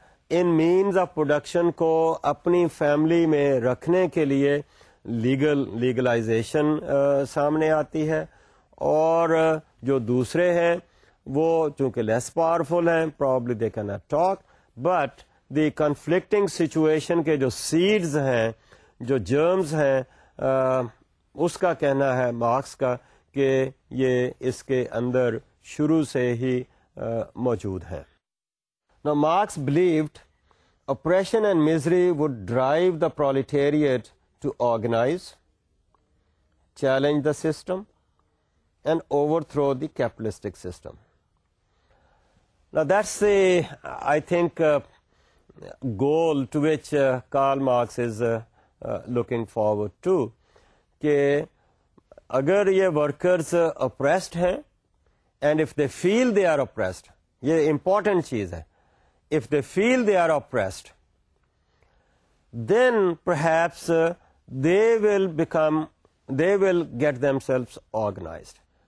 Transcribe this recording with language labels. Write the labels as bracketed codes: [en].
[ur] In means of production کو اپنی family میں رکھنے کے لیے لیگلائزیشن سامنے آتی ہے, اور جو دوسرے ہیں وہ چونکہ لیس پاورفل ہیں [en] probably they can not talk, but the conflicting situation [ur] کے جو سیڈز ہیں, جو جرمز ہیں, اس کا کہنا ہے مارکس کا کہ یہ اس کے اندر شروع سے ہی موجود ہیں. [en] No Marx believed oppression and misery would drive the proletariat to organise, challenge the system and overthrow the capitalistic system. Now that's the, I think, goal to which Karl Marx is looking forward to. [ur] Ke agar ye workers oppressed hain, [en] and if they feel they are oppressed, [ur] ye important cheez hai, [en] if they feel they are oppressed, then perhaps they will get themselves organized.